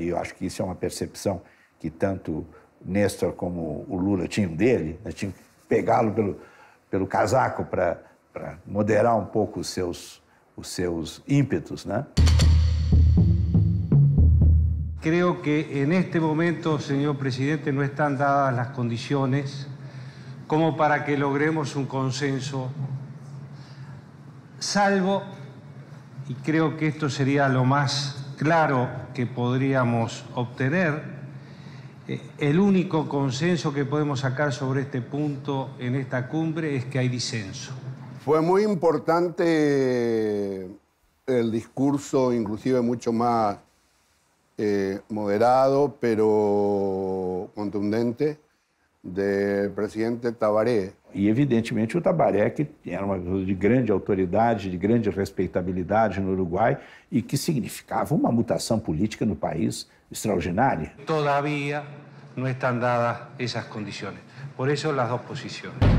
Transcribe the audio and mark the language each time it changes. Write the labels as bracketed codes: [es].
[pt] E eu acho que isso é uma percepção que tanto Néstor como o Lula tinham dele, né? Tinha que pegá-lo pelo casaco para moderar um pouco os seus ímpetos, né? [es] Creo que en este momento, señor presidente, no están dadas las condiciones como para que logremos un consenso, salvo, y creo que esto sería lo más claro que podríamos obtener, el único consenso que podemos sacar sobre este punto en esta cumbre es que hay disenso. Fue muy importante el discurso, inclusive mucho más moderado, pero contundente, de presidente Tabaré. [pt] E, evidentemente, o Tabaré, que era uma pessoa de grande autoridade, de grande respeitabilidade no Uruguai e que significava uma mutação política no país extraordinária. Todavía não estão dadas essas condições. Por isso, as duas posições.